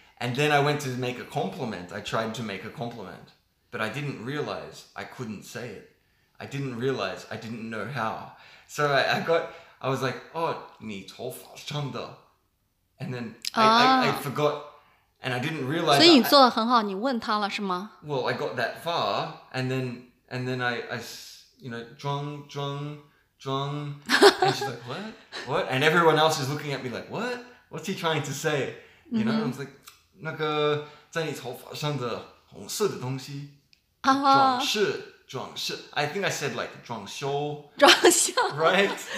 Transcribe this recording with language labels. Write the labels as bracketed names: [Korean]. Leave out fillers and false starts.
[English] And then I went to make a compliment. I tried to make a compliment. But I didn't realize I couldn't say it. I didn't realize I didn't know how. So I was like, oh, [Chinese] 你头发长的 [English] And then I forgot. And I didn't realize. [Chinese] 所以你做得很好你问他了是吗 [English] Well, I got that far. And then I, you know, 装 and she's like, what? And everyone else is looking at me like, what? What's he trying to say? You know, I was like, [Chinese] 那个在你头发上的红色的东西装饰 [English] I think I said like 装修 Right?